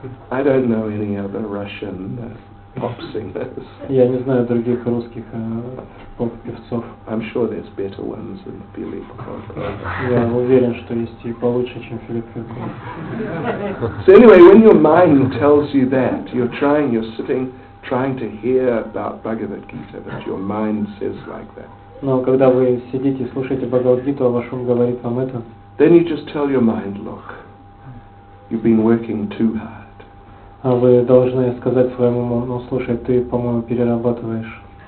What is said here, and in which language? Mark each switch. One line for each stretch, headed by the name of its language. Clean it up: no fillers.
English: I don't know any other Russian pop singers.
Russian: Я не знаю других русских поп-певцов.
English: I'm sure there's better ones than Philip Kirkorov.
Russian: Я уверен, что есть и получше, чем Филипп Киркоров.
English: So anyway, when your mind tells you that, you're trying to hear about Bhagavad Gita, but your mind says like that.
Russian: Но когда вы сидите и слушаете Бхагавад Гиту, а ваш ум говорит вам это.
English: Then you just tell your mind, look, you've been working too hard.
Russian: А вы должны сказать своему уму, ну слушай, ты, по-моему, перерабатываешь.